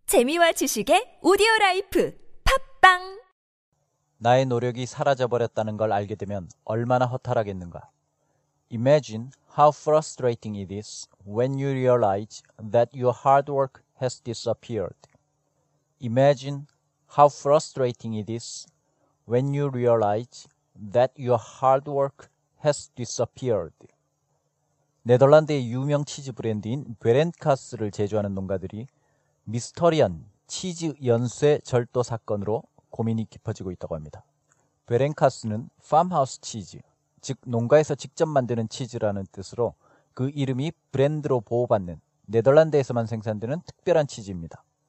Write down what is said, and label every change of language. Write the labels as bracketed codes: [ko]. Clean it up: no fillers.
[ko] 재미와 지식의 오디오라이프 팝빵. 나의 노력이 사라져버렸다는 걸 알게 되면 얼마나 허탈하겠는가. [en] Imagine how frustrating it is when you realize that your hard work has disappeared. Imagine how frustrating it is when you realize that your hard work has disappeared. [ko] 네덜란드의 유명 치즈 브랜드인 베렌카스를 제조하는 농가들이 미스터리한 치즈 연쇄 절도 사건으로 고민이 깊어지고 있다고 합니다. 베렌카스는 farmhouse 치즈, 즉 농가에서 직접 만드는 치즈라는 뜻으로 그 이름이 브랜드로 보호받는 네덜란드에서만 생산되는 특별한 치즈입니다.